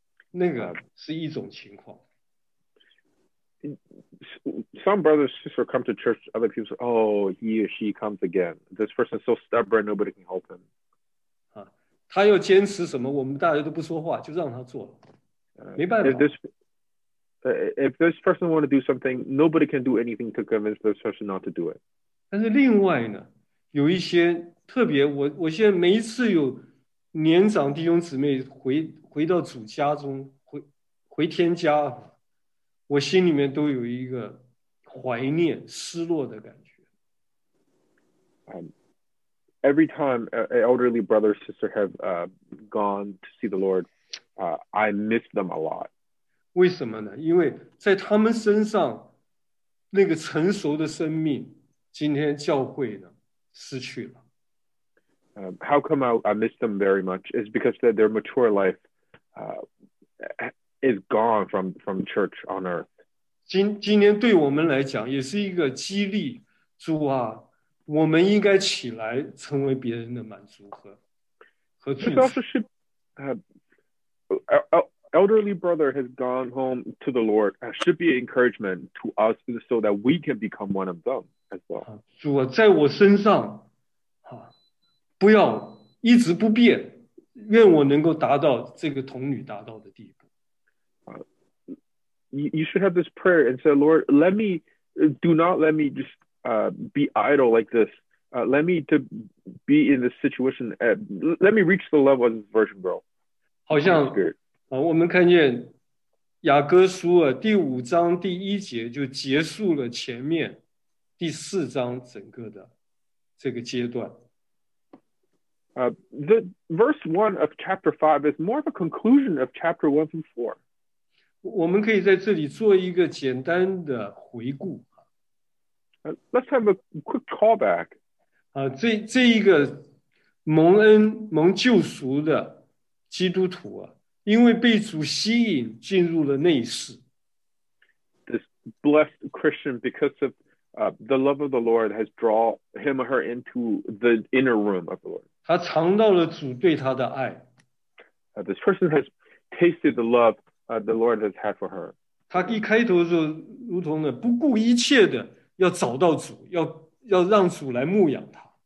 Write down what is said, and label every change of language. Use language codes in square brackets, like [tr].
[zh] 那个是一种情况。 [en] Some brothers and sisters come to church. Other people say, "Oh, he or she comes again. This person is so stubborn. Nobody can help him." [zh] 他要坚持什么？我们大家都不说话，就让他做了，没办法。 [en] If this person want to do something, nobody can do anything to convince this person not to do it. [zh] 但是另外呢，有一些特别，我现在每一次有年长弟兄姊妹回到主家中，回天家。我心里面都有一个怀念、失落的感觉。 [en] Every time an elderly brother or sister have gone to see the Lord, I miss them a lot. [zh] 为什么呢？因为在他们身上，那个成熟的生命，今天教会呢，失去了。 [en] How come I miss them very much? It's because that their mature life, is gone from church on earth. [zh] 今天对我们来讲也是一个激励，主啊，我们应该起来成为别人的满足和祝福。 [en] This also should, elderly brother has gone home to the Lord. Should be an encouragement to us so that we can become one of them as well. [zh] 主啊，在我身上，啊，不要一直不变，愿我能够达到这个童女达到的地步。 [en] You should have this prayer and say, Lord, do not let me just be idle like this. Let me to be in this situation. Let me reach the level of this virgin girl. [zh] 好像我们看见雅各书啊第五章第一节就结束了前面第四章整个的这个阶段。 [en] The verse 1 of chapter 5 is more of a conclusion of chapter 1 through 4. [zh] 我们可以在这里做一个简单的回顾。 [en] Let's have a quick callback. [zh] 这一个蒙恩蒙救赎的基督徒啊，因为被主吸引进入了内室。 [en] This blessed Christian, because of the love of the Lord, has drawn him or her into the inner room of the Lord. [zh] 他尝到了主对他的爱。 [en] This person has tasted the love. The Lord has had for her. [zh] 他一开头就如同的不顾一切的要找到主，要让主来牧养他。